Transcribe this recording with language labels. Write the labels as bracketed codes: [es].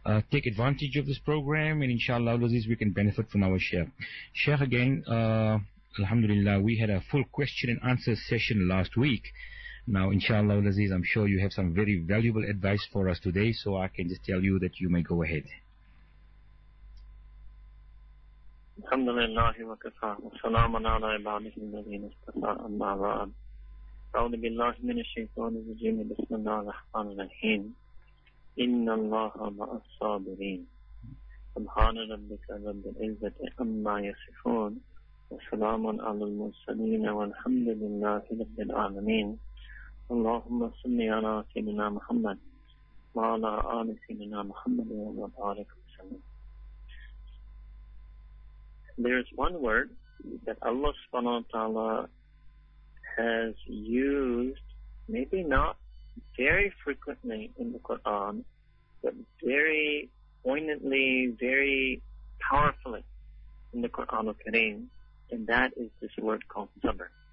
[en] Take advantage of this program, and inshallah, Aziz, we can benefit from our Sheikh. Sheikh, again, alhamdulillah, we had a full question and answer session last week. Now, inshallah, Aziz, I'm sure you have some very valuable advice for us today, so I can just tell you that you may go ahead. [ar] الحمد لله وكفى وسلام على عباده الذين اصطفى أما بعد أعوذ بالله من الشيطان الرجيم بسم الله الرحمن الرحيم إن الله مع الصابرين سبحان ربك رب العزة عما يصفون وسلام على المرسلين والحمد لله رب العالمين اللهم صل على سيدنا محمد وعلى آل سيدنا محمد وبارك وسلم. [en] There is one word that Allah subhanahu wa ta'ala has used, maybe not very frequently in the Quran, but very poignantly, very powerfully in the Quran al-Kareem, and that is this word called sabr.